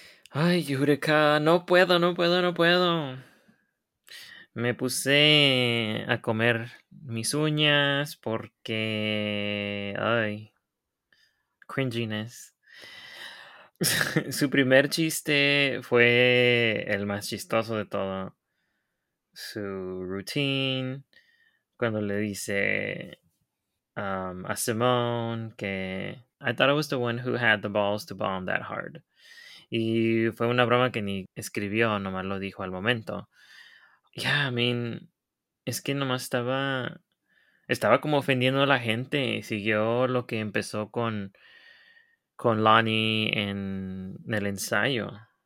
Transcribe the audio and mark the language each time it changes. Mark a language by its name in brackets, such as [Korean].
[Spanish] Ay, Eureka, no puedo. Me puse a comer mis uñas porque, ay, cringiness. Su primer chiste fue el más chistoso de todo. Su routine, cuando le dice a Simone que [English] I thought I was the one who had the balls to bomb that hard. [Spanish] Y fue una broma que ni escribió, nomás lo dijo al momento. [English] Yeah, I mean, [Spanish] es que nomás estaba como ofendiendo a la gente. Siguió lo que empezó con Lonnie en el ensayo.